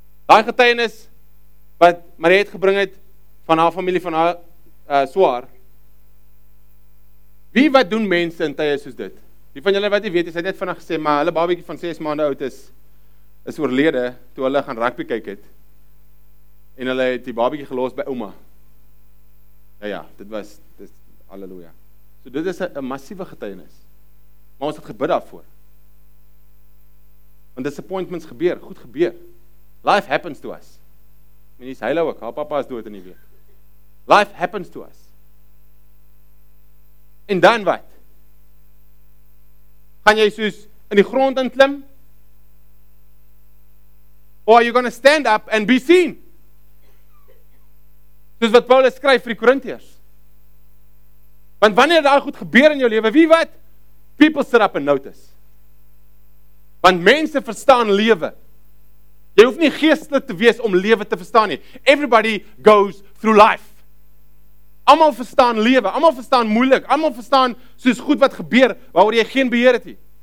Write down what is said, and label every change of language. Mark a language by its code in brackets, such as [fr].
[af] Daai getuienis wat Marie het gebring het van haar familie, van haar swaar. Wie wat doen mense in tye soos dit? Wie van julle wat nie weet, sy het net vinnig gesê, maar hulle babietjie van 6 maande oud is oorlede, toe hulle gaan rugby kyk het, en hulle het die babietjie gelos by ouma. Ja, dit was, dit, halleluja. So dit is 'n massiewe getuienis. Maar ons het gebid daarvoor. Want disappointments gebeur, goed gebeur. [en] Life happens to us. [af] En die is heilig ook, haar papa is dood in die week. [en] Life happens to us. [af] En dan wat? Gaan jy soos in die grond inklim? [en] Or are you going to stand up and be seen? [af] Soos wat Paulus skryf vir die Korintiërs. Want wanneer daar goed gebeur in jou lewe, wie wat? [en] People sit up and notice. [af] Want mense verstaan lewe. Jy hoef nie geestelik te wees om lewe te verstaan nie. [en] Everybody goes through life. [af] Almal verstaan lewe, almal verstaan moeilik, almal verstaan soos goed wat gebeur, waaroor jy geen beheer het nie.